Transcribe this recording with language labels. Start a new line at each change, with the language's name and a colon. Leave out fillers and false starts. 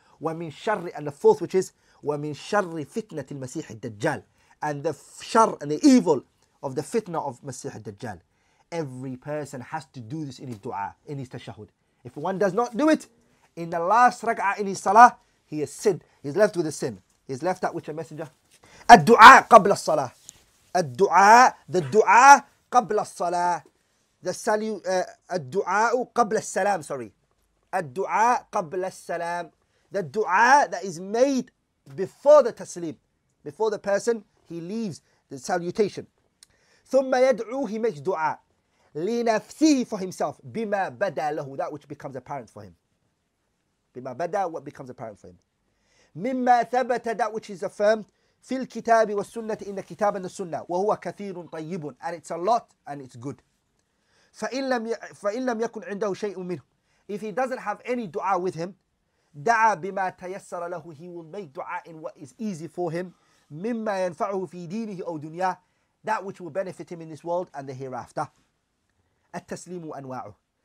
Arabic: وَمِنْ شَرِّ
English: And the fourth which is
Arabic: وَمِنْ شَرِّ فِتْنَةِ الْمَسِيحِ الدَّجَّالِ
English: And the shar and the evil of the fitna of Masih al-Dajjal. Every person has to do this in his dua, in his tashahud. If one does not do it, in the last rak'ah in his salah, he is sin. He's left with a sin. He's left that which a messenger.
Arabic: الدُّعَاء قَبْلَ الصَّلَاةِ الدُّعَاء
English: The dua
Arabic: قَبْلَ الصَّلَاةِ The الدُّعَاء قَبْلَ السَّلَامِ
English: Sorry. الدُّعَاء قَبْلَ السَّلَامِ The dua that is made before the taslim, before the person, he leaves the salutation.
Arabic: ثُمَّ يَدْعُو
English: He makes dua.
Arabic: لِنَفْسِهِ
English: For himself.
Arabic: بِمَا بَدَى لَهُ
English: That which becomes apparent for him.
Arabic: بِمَا بَدَى
English: What becomes apparent for him.
Arabic: مِمَّا ثَبَتَ
English: That which is affirmed.
Arabic: فِي الْكِتَابِ وَالسُّنَّةِ إِنَّ كِتَابَ النَّسُنَّةِ وَهُوَ كَثِيرٌ طَيِّبٌ
English: And it's a lot and it's good.
Arabic: فَإِنْ لَمْ يَكُنْ عِنْدَهُ شَيْءٌ مِنْهُ
English: If he doesn't have any dua with him,
Arabic: da'a bima tayassara lahu,
English: he will make dua in what is easy for him.
Arabic: Mimma yanfa'uhu fi deenihi aw dunya,
English: that which will benefit him in this world and the hereafter.
Arabic: At-taslimu anwa'uh.